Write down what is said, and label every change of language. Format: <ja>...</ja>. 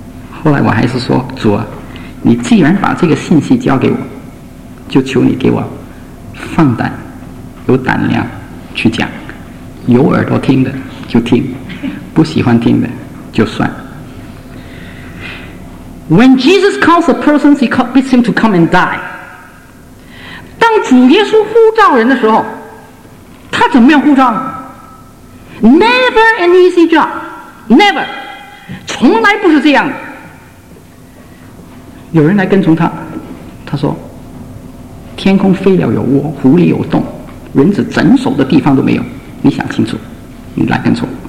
<zh>后来我还是说，主啊，你既然把这个信息交给我，就求你给我放胆有胆量去讲，有耳朵听的就听，不喜欢听的就算。</zh> <en>When Jesus calls a person, he bids him to come and die。</en> <zh>当主耶稣呼召人的时候，他怎么样呼召？</zh> <en>Never an easy job, never，</en> <zh>从来不是这样的。有人来跟从他，他说天空飞鸟有窝，狐狸有洞，人子整手的地方都没有，你想清楚你来跟从。</zh>